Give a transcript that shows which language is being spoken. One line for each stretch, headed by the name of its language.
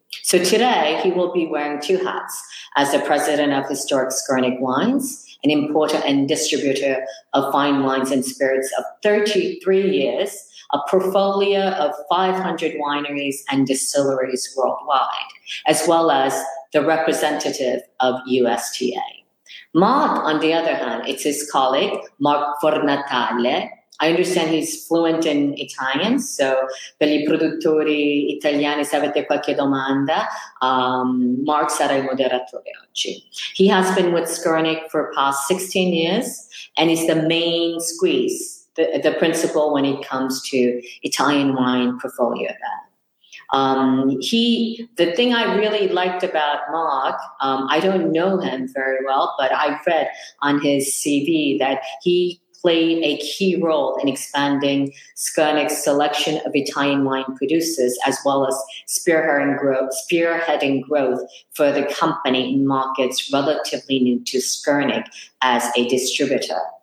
English: So today, he will be wearing two hats as the president of Historic Skurnik Wines, an importer and distributor of fine wines and spirits of 33 years, a portfolio of 500 wineries and distilleries worldwide, as well as the representative of USTA. Mark, on the other hand, it's his colleague, Mark Fornatale. I understand he's fluent in Italian, so
Italian: per I produttori italiani, se avete qualche domanda, Mark sarà il moderatore oggi.
English: He has been with Skurnik for past 16 years and is the main squeeze, the principal when it comes to Italian wine portfolio there. The thing I really liked about Mark, I don't know him very well, but I read on his CV that he played a key role in expanding Skurnik's selection of Italian wine producers, as well as spearheading growth for the company in markets relatively new to Skurnik as a distributor,